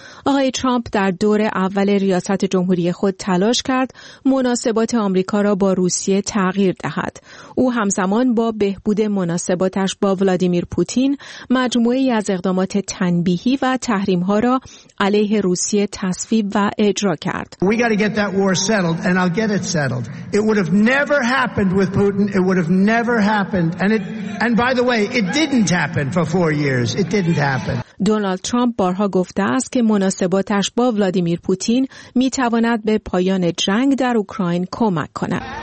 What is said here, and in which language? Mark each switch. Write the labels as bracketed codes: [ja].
[fa] آقای ترامپ در دور اول ریاست جمهوری خود تلاش کرد مناسبات آمریکا را با روسیه تغییر دهد. او همزمان با بهبود مناسباتش با ولادیمیر پوتین، مجموعی از اقدامات تنبیهی و تحریم‌ها را علیه روسیه تصویب و اجرا کرد. [en] We got to get that war settled and I'll get it settled. It would have never happened with Putin. It would have never happened. And by the way, it didn't happen for 4 years. It didn't happen. [fa] دونالد ترامپ بارها گفته است که مناسباتش با ولادیمیر پوتین می‌تواند به پایان جنگ در اوکراین کمک کند.